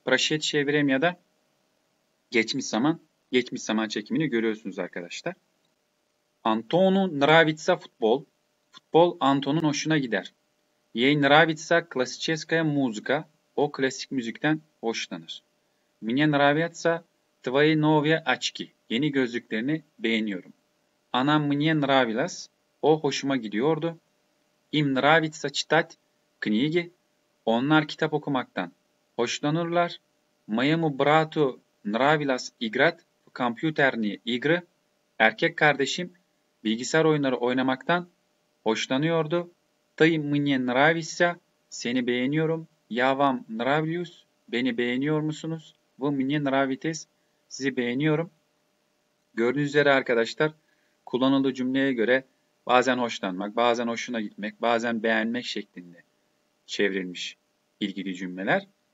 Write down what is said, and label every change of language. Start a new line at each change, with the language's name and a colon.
Russian: Прошедшее время
Turkish: da geçmiş zaman, geçmiş zaman çekimini görüyorsunuz arkadaşlar.
Russian: Антону нравится футбол,
Turkish: futbol Anton'un hoşuna gider.
Russian: Ей нравится классическая музыка,
Turkish: o klasik müzikten hoşlanır.
Russian: Мне нравятся твои новые очки,
Turkish: yeni gözlüklerini beğeniyorum.
Russian: Она мне нравилась,
Turkish: o hoşuma gidiyordu.
Russian: Им нравится читать книги.
Turkish: Onlar kitap okumaktan hoşlanırlar.
Russian: Моему брату нравилось играть в компьютерные игры.
Turkish: Erkek kardeşim bilgisayar oyunları oynamaktan hoşlanıyordu.
Russian: Ты мне нравишься.
Turkish: Seni beğeniyorum.
Russian: Я вам нравлюсь.
Turkish: Beni beğeniyor musunuz?
Russian: Вы мне нравитесь.
Turkish: Sizi beğeniyorum. Gördüğünüz üzere arkadaşlar, kullanıldığı cümleye göre bazen hoşlanmak, bazen hoşuna gitmek, bazen beğenmek şeklinde çevrilmiş ilgili cümleler.